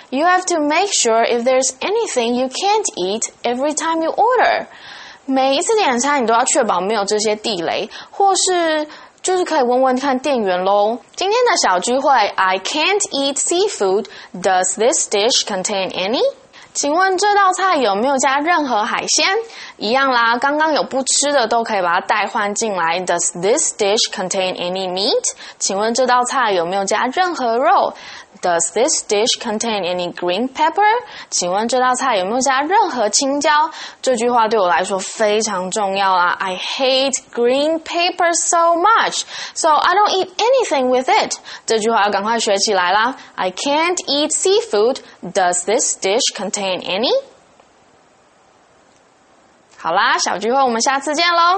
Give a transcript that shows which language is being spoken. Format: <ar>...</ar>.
<en>You have to make sure if there's anything you can't eat every time you order.</en> <zh>每一次点餐，你都要确保没有这些地雷，或是。就是可以问问看店员咯。今天的小聚会</zh> <en>I can't eat seafood. Does this dish contain any?</en> <zh>请问这道菜有没有加任何海鲜？一样啦，刚刚有不吃的都可以把它代换进来。</zh> <en>Does this dish contain any meat?</en> <zh>请问这道菜有没有加任何肉？</zh> <en>Does this dish contain any green pepper?</en> <zh>请问这道菜有没有加任何青椒？这句话对我来说非常重要啦。</zh> <en>I hate green pepper so much, so I don't eat anything with it.</en> <zh>这句话要赶快学起来啦。</zh> <en>I can't eat seafood. Does this dish contain any?</en> <zh>好啦，小聚会我们下次见咯。</zh>